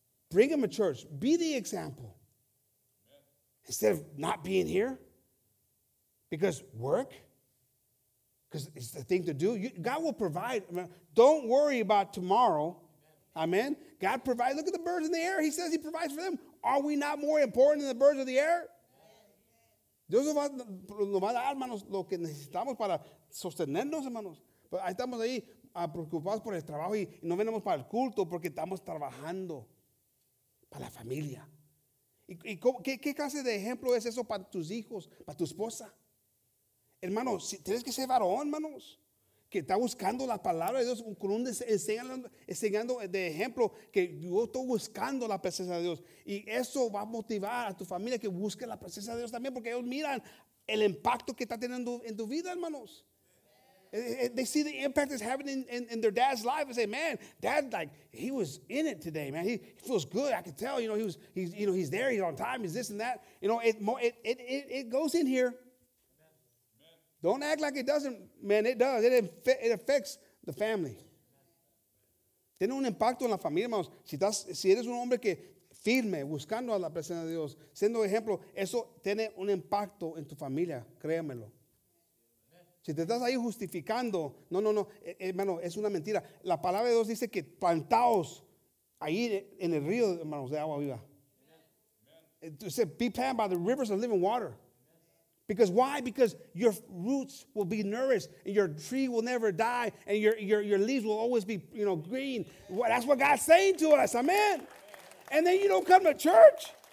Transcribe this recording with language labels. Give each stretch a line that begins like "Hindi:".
English: Bring them to church. Be the example. Instead of not being here. Because work. Because it's the thing to do. God will provide. Don't worry about tomorrow. Amen. God provides. Look at the birds in the air. He says he provides for them. Are we not more important than the birds of the air?
Spanish: Dios nos va a dar, hermanos, lo que necesitamos para sostenernos, hermanos. Pero ahí estamos ahí preocupados por el trabajo y no venimos para el culto porque estamos trabajando. Para la familia. ¿Y qué clase de ejemplo es eso para tus hijos, para tu esposa? Hermano, si, tienes que ser varón, hermanos, que está buscando la palabra de Dios, con un enseñando de ejemplo, que yo estoy buscando la presencia de Dios. Y eso va a motivar a tu familia que busque la presencia de Dios también, porque ellos miran el impacto que está teniendo en tu vida, hermanos.
English: They see the impact it's having in their dad's life and say, man, dad, like, he was in it today, man. He feels good. I can tell, you know, he's there. He's on time. He's this and that. You know, it goes in here. Amen. Don't act like it doesn't. Man, it does. It affects the family.
Spanish: Tiene un impacto en la familia, hermanos. Si eres un hombre que firme, buscando a la presencia de Dios, siendo ejemplo, eso tiene un impacto en tu familia. Créamelo. Si te estás ahí justificando, no, hermano, es una mentira. La palabra de Dios dice que plantaos ahí en el río, hermanos, de agua viva.
English: It said, be planted by the rivers of living water. Because why? Because your roots will be nourished and your tree will never die and your leaves will always be, you know, green. Well, that's what God's saying to us, amen. And then you don't come to church.